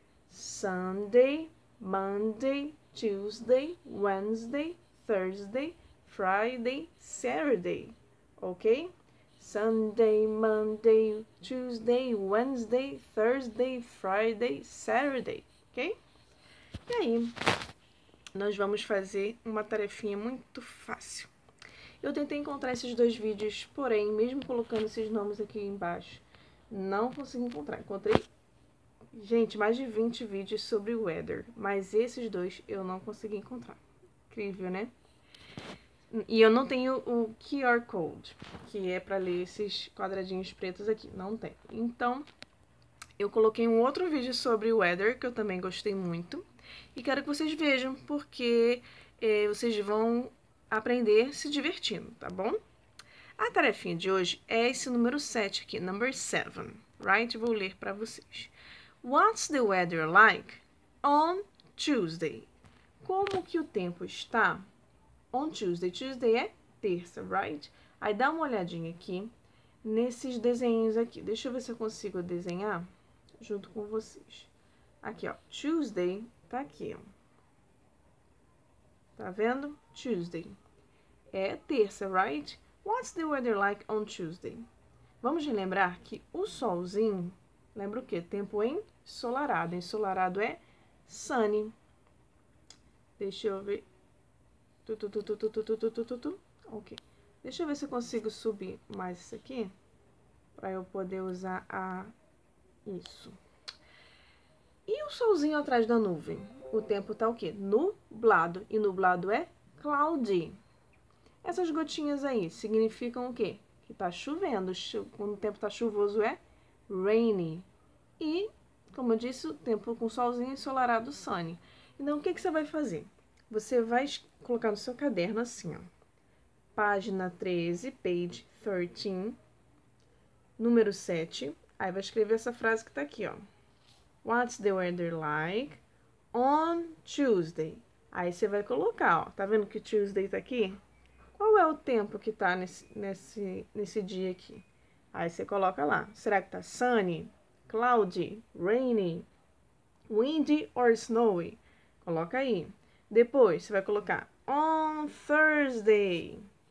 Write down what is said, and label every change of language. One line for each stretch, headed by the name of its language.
English: Sunday, Monday, Tuesday, Wednesday, Thursday, Friday, Saturday. Ok? Sunday, Monday, Tuesday, Wednesday, Thursday, Friday, Saturday. Ok?
Portuguese: E aí, nós vamos fazer uma tarefinha muito fácil. Eu tentei encontrar esses dois vídeos, porém, mesmo colocando esses nomes aqui embaixo, não consegui encontrar. Encontrei, gente, mais de 20 vídeos sobre o weather, mas esses dois eu não consegui encontrar. Incrível, né? E eu não tenho o QR Code, que é para ler esses quadradinhos pretos aqui. Não tem. Então, eu coloquei um outro vídeo sobre o weather, que eu também gostei muito, e quero que vocês vejam, porque vocês vão aprender se divertindo, tá bom? A tarefinha de hoje é esse número 7 aqui,
English: number 7, right?
Portuguese: Vou ler para vocês.
English: What's the weather like on Tuesday?
Portuguese: Como que o tempo está
English: on Tuesday?
Portuguese: Tuesday é terça, right? Aí dá uma olhadinha aqui nesses desenhos aqui. Deixa eu ver se eu consigo desenhar junto com vocês. Aqui, ó, Tuesday tá aqui, ó. Tá vendo? Tuesday. É terça, right?
English: What's the weather like on Tuesday?
Portuguese: Vamos lembrar que o solzinho, lembra o quê? Tempo ensolarado. Ensolarado é sunny. Deixa eu ver. Tu, tu, tu, tu, tu, tu, tu, tu, tu. Ok. Deixa eu ver se eu consigo subir mais isso aqui, para eu poder usar a isso. E o solzinho atrás da nuvem? O tempo tá o quê? Nublado. E nublado é cloudy. Essas gotinhas aí significam o quê? Que tá chovendo. Quando o tempo tá chuvoso é rainy. E, como eu disse, o tempo com solzinho ensolarado, sunny. Então, o que que você vai fazer? Você vai colocar no seu caderno assim, ó. Página 13,
English: page 13,
Portuguese: número 7. Aí vai escrever essa frase que tá aqui, ó.
English: What's the weather like on Tuesday?
Portuguese: Aí você vai colocar, ó. Tá vendo que Tuesday tá aqui? Qual é o tempo que tá nesse dia aqui? Aí você coloca lá. Será que tá sunny, cloudy, rainy, windy or snowy? Coloca aí. Depois você vai colocar
English: on Thursday.